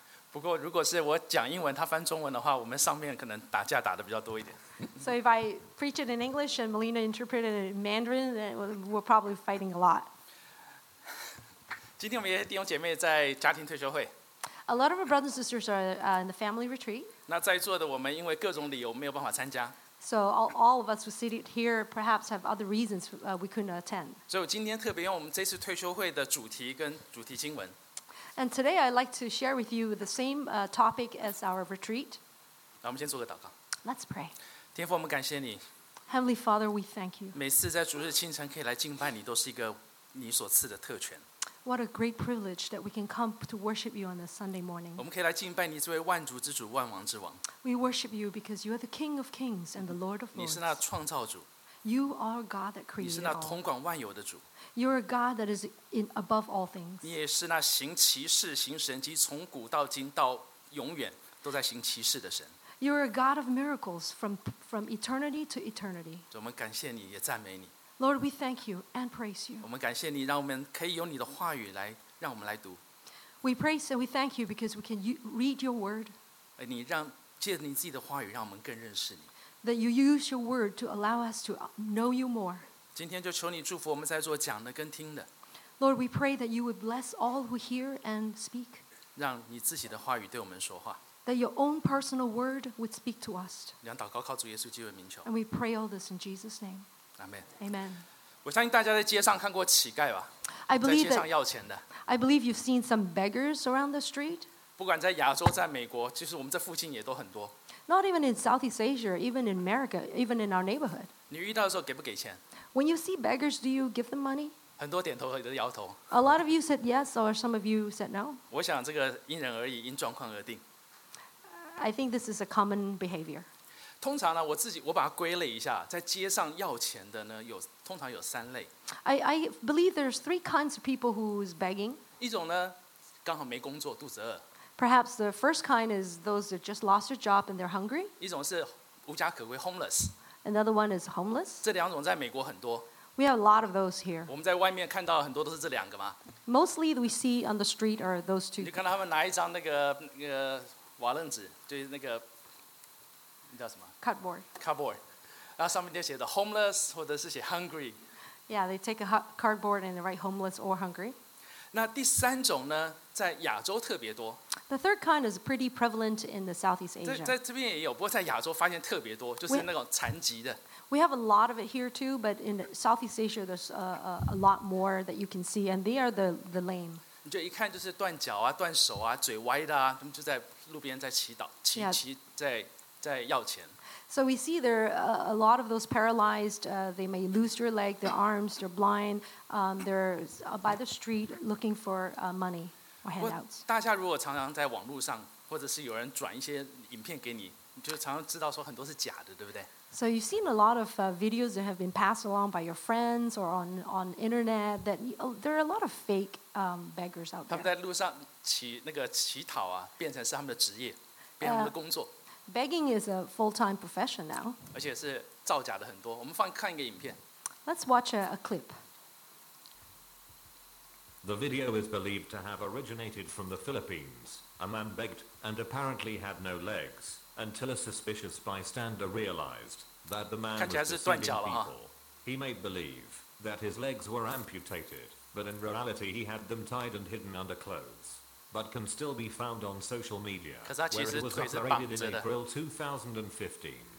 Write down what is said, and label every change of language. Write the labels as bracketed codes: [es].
[zh] 不过如果是我讲英文他翻中文的话我们上面可能打架打得比较多一点 [en] So if I preach it in English and Melina interpreted it in Mandarin then we're probably fighting a lot [zh] 今天我们一些弟兄姐妹在家庭退休会 [en] A lot of our brothers and sisters are in the family retreat [zh] 那在座的我们因为各种理由没有办法参加 [en] So all of us who sit here perhaps have other reasons we couldn't attend [zh] 所以我今天特别用我们这次退休会的主题跟主题经文 [en] And today I'd like to share with you the same topic as our retreat. [zh] 我们先做个祷告。 [en] Let's pray. [zh] 天父，我们感谢你。 [en] Heavenly Father, we thank you. [zh] 每次在主日清晨可以来敬拜你，都是一个你所赐的特权。 [en] What a great privilege that we can come to worship you on this Sunday morning. [zh] 我们可以来敬拜你，这位万主之主，万王之王。 [en] We worship you because you are the King of Kings and the Lord of Lords. [zh] 你是那创造主。 [en] You are God that created all. [zh] 你是那统管万有的主。 [en] You are a God that is in above all things. [zh] 你也是那行奇事、行神迹，从古到今到永远都在行奇事的神。 [en] You are a God of miracles from eternity to eternity. [zh] 我们感谢你，也赞美你。 [en] Lord, we thank you and praise you. [zh] 我们感谢你，让我们可以用你的话语来让我们来读。 [en] We praise and we thank you because we can read your word. [zh] 你让借你自己的话语，让我们更认识你。 [en] That you use your word to allow us to know you more. [zh] 今天就求你祝福我们在座讲的跟听的。 [en] Lord, we pray that you would bless all who hear and speak. [zh] 让你自己的话语对我们说话。 [en] That your own personal word would speak to us. [zh] 让祷告靠主耶稣基督的名求。 [en] And we pray all this in Jesus' name. Amen. Amen. [zh] 我相信大家在街上看过乞丐吧。 [en] I believe [zh] 在街上要钱的。 [en] I believe you've seen some beggars around the street. [zh] 不管在亚洲，在美国，其实我们这附近也都很多。 [en] Not even in Southeast Asia, even in America, even in our neighborhood. [zh] 你遇到的时候给不给钱？ [en] When you see beggars, do you give them money? [zh] 很多点头，有的摇头。 [en] A lot of you said yes, or some of you said no. [zh] 我想这个因人而异，因状况而定。 [en] I think this is a common behavior. [zh] 通常呢，我把它归类一下，在街上要钱的呢，通常有三类。 [en] I believe there's three kinds of people who is begging. [zh] 一种呢，刚好没工作，肚子饿。 [en] Perhaps the first kind is those that just lost their job and they're hungry. [zh] 一种是无家可归 homeless. [en] Another one is homeless. [zh] 这两种在美国很多。 [en] We have a lot of those here. [zh] 我们在外面看到很多都是这两个嘛。 [en] Mostly we see on the street are those two. [zh] 你看到他们拿一张那个瓦楞纸，就是那个，那叫什么 [en] ？Cardboard. [zh] Cardboard. 然后上面就写着 homeless 或者是写 hungry。 [en] Yeah, they take a cardboard and they write homeless or hungry. [zh] 那第三种呢，在亚洲特别多。 [en] The third kind is pretty prevalent in the Southeast Asia. [zh] 在这边也有，不过在亚洲发现特别多，就是那种残疾的。 [en] We have a lot of it here too, but in Southeast Asia, there's a lot more that you can see, and they are the lame. [zh] 你就一看就是断脚啊、断手啊、嘴歪的啊，他们就在路边在祈祷、祈、 [en] yeah. [zh] 祈在要钱。 [en] So we see there a lot of those paralyzed. They may lose their leg, their arms, they're blind. They're by the street looking for money or handouts. [zh] 大家如果常常在网络上，或者是有人转一些影片给你，你就常常知道说很多是假的，对不对？ [en] So you've seen a lot of videos that have been passed along by your friends or on internet that there are a lot of fake beggars out there. [zh] 他们在路上乞那个乞讨啊，变成是他们的职业，变成他们的工作。 [en] Begging is a full-time profession now. [zh] 而且是造假的很多。我们放看一个影片。 [en] Let's watch a clip. The video is believed to have originated from the Philippines. A man begged and apparently had no legs. Until a suspicious bystander realized that the man was deceiving people. He made believe that his legs were amputated, but in reality he had them tied and hidden under clothes, but can still be found on social media, where it was operated in April 2015.